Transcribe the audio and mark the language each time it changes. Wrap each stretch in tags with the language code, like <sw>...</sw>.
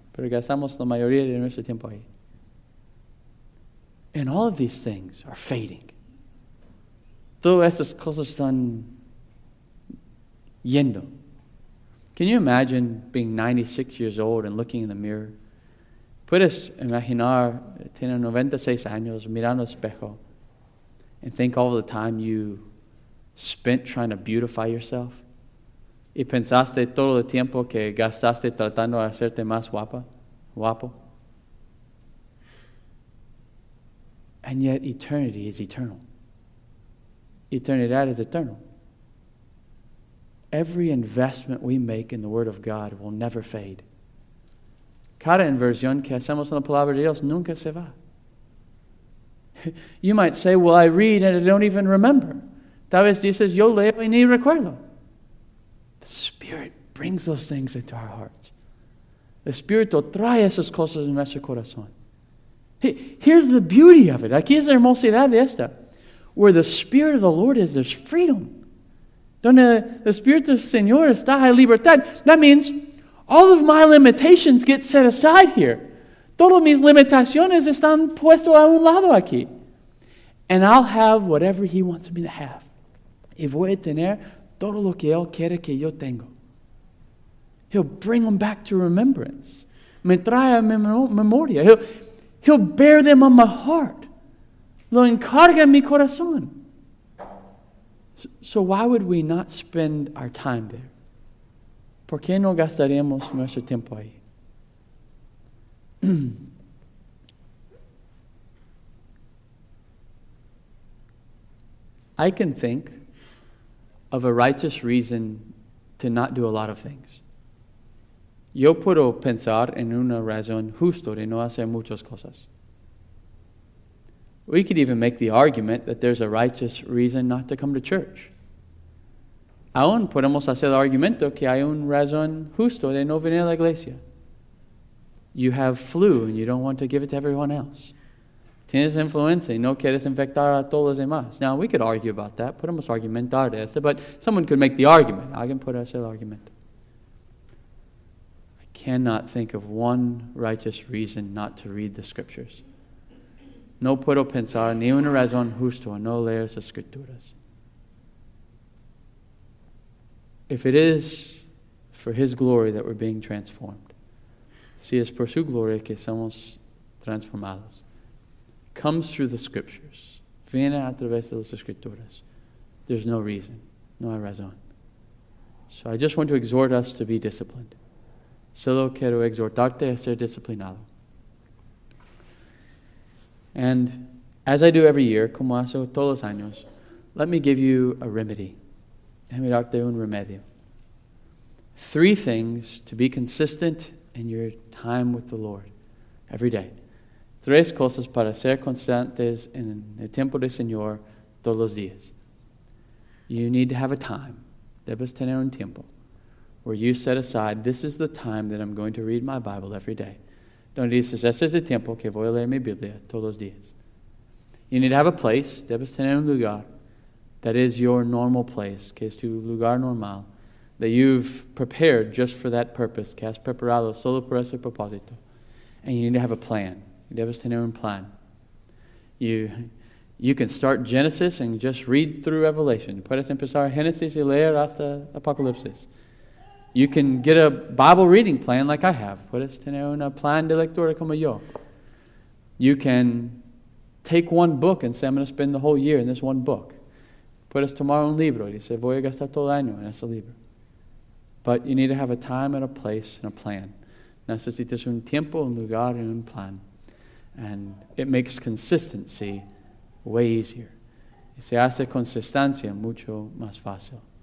<es>Pero gastamos la mayoría de nuestro tiempo ahí.</es> <en>And all of these things are fading.</en> <es>Todas estas cosas están yendo.</es> <en>Can you imagine being 96 years old and looking in the mirror?</en> <es>Puedes imaginar tener 96 años mirando al espejo</es> <en>and think all the time you spent trying to beautify yourself.</en> <es>Y pensaste todo el tiempo que gastaste tratando de hacerte más guapa, guapo.</es> <en>And yet eternity is eternal. Eternidad is eternal. Every investment we make in the Word of God will never fade.</en> <es>Cada inversión que hacemos en la palabra de Dios nunca se va.</es> <en>You might say, well, I read and I don't even remember.</en> <es>Tal vez dices, yo leo y ni recuerdo.</es> <en>The Spirit brings those things into our hearts.</en> <es>El Espíritu trae esas cosas en nuestro corazón.</es> <en>Here's the beauty of it.</en> <es>Aquí es la hermosidad de esta.</es> <en>Where the Spirit of the Lord is, there's freedom.</en> <es>Donde el Espíritu del Señor está, hay libertad.</es> <en>That means all of my limitations get set aside here.</en> <es>Todas mis limitaciones están puestas a un lado aquí.</es> <en>And I'll have whatever he wants me to have.</en> <es>Y voy a tener todo lo que él quiere que yo tengo.</es> <en>He'll bring them back to remembrance.</en> <es>me trae a memoria.</es> <en>He'll bear them on my heart.</en> <es>Lo encarga en mi corazón.</es> <en>So why would we not spend our time there?</en> <es>¿Por qué no gastaremos nuestro tiempo ahí?</es> <en>I can think of a righteous reason to not do a lot of things.</en> <es>Yo puedo pensar en una razón justa de no hacer muchas cosas.</es> <en>We could even make the argument that there's a righteous reason not to come to church.</en> <es>Aún podemos hacer el argumento que hay una razón justa de no venir a la iglesia.</es> <en>You have flu and you don't want to give it to everyone else.</en> <es>Tienes influenza y no quieres infectar a todos los demás.</es> <en>Now, we could argue about that.</en> <es>Podemos argumentar de esto,</es> <en>but someone could make the argument.</en> <es>Alguien puede hacer el argumento.</es> <en>I cannot think of one righteous reason not to read the scriptures.</en> <es>No puedo pensar ni una razón justa no leer las escrituras.</es> <en>If it is for his glory that we're being transformed,</en> <es>si es por su gloria que somos transformados,</es> <en>comes through the scriptures,</en> <es>viene a través de las escrituras,</es> <en>there's no reason,</en> <es>no hay razón.</es> <en>So I just want to exhort us to be disciplined.</en> <es>Solo quiero exhortarte a ser disciplinado.</es> <en>And as I do every year,</en> <es>como hago todos los años,</es> <en>let me give you a remedy.</en> <es>Déjame darte un remedio.</es> <en>Three things to be consistent in your time with the Lord every day.</en> <es>Tres cosas para ser constantes en el tiempo del Señor todos los días.</es> <en>You need to have a time.</en> <es>Debes tener un tiempo</es> <en>where you set aside, this is the time that I'm going to read my Bible every day.</en> <es>Donde dices, este es el tiempo que voy a leer mi Biblia todos los días.</es> <en>You need to have a place.</en> <es>Debes tener un lugar.</es> <en>That is your normal place,</en> <es>que es tu lugar normal,</es> <en>that you've prepared just for that purpose,</en> <es>que has preparado solo por ese propósito.</es> <en>And you need to have a plan. You</en> <es>debes tener un plan.</es> <en>You can start Genesis and just read through Revelation.</en> <es>Puedes empezar Genesis y leer hasta Apocalipsis.</es> <en>You can get a Bible reading plan like I have.</en> <es>Puedes tener un plan de lectura como yo.</es> <en>You can take one book and say, I'm going to spend the whole year in this one book.</en> <es>Puedes tomar un libro y dice, voy a gastar todo el año en ese libro.</es> <en>But you need to have a time and a place and a plan.</en> <es>Necesitas un tiempo, un lugar y un plan.</es> <en>And it makes consistency way easier.</en> <es>Y se hace consistencia mucho más fácil.</es>